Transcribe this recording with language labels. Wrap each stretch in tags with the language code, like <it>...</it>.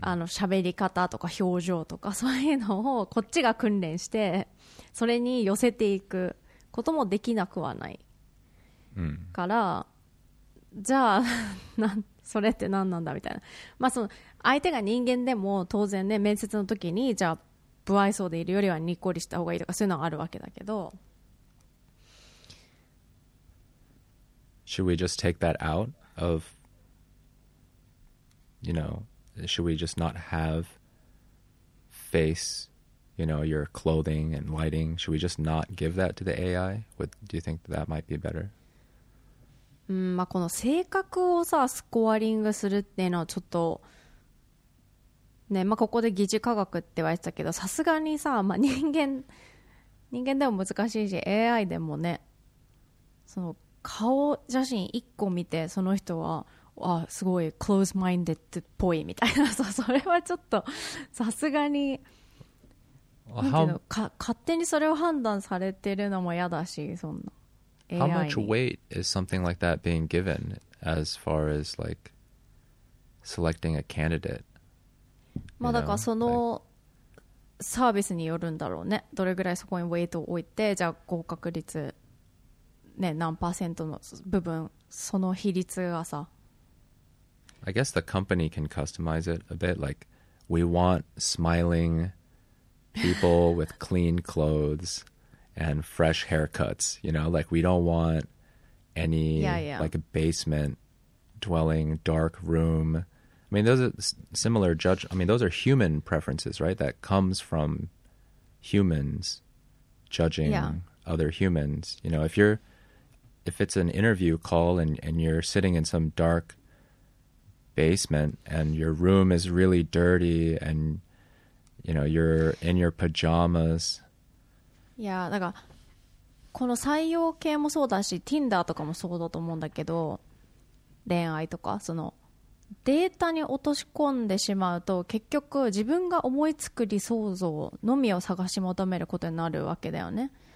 <ja>あの喋り方とか表情とかそういうのをこっちが訓練してそれに寄せていくこともできなくはない、うん、からじゃあなんそれって何なんだみたいな、まあ、その相手が人間でも当然ね面接の時にじゃあ不愛想でいるよりはにっこりした方がいいとかそういうのはあるわけだけど。</ja> <en>Should we just take that out of, you know, should we just not have face, you know, your clothing and lighting, should we just not give that to the AI? What, do you think that might be better?</en> <ja>うん、まあ、この性格をさスコアリングするっていうのはちょっとね、まあ、ここで疑似科学って言われてたけど、さすがにさ、まあ、人間でも難しいし AI でもね、その顔写真一個見てその人はあすごいクローズマインデッドっぽいみたいなさ、それはちょっとさすがに、</ja> <en>well,</en> <ja>なんていうの、勝手にそれを判断されてるのも嫌だし、そんな</ja> <en>AI</en> <ja>に</ja> <en>How much weight is something like that being given as far as like selecting a candidate</en> <ja>まあ、だからそのサービスによるんだろうね、どれぐらいそこにウェイトを置いて、じゃあ合格率、ね、何パーセントの部分、その比率がさ。</ja> <en>I guess the company can customize it a bit. Like, we want smiling people with clean clothes and fresh haircuts. You know, like, we don't want any, yeah, yeah. like, a basement dwelling, dark room. I mean, those are similar judge. I mean, those are human preferences, right? That comes from humans judging、 yeah. other humans. You know, if it's an interview call and you're sitting in some dark basement and your room is really dirty and, you know, you're in your pajamas. Yeah, like,</en> <ja>この採用系もそうだし、Tinder とかもそうだと思うんだけど、恋愛とか、その、データに落とし込んでしまうと結局自分が思いつく理想像のみを探し求めることになるわけだよね。</ja>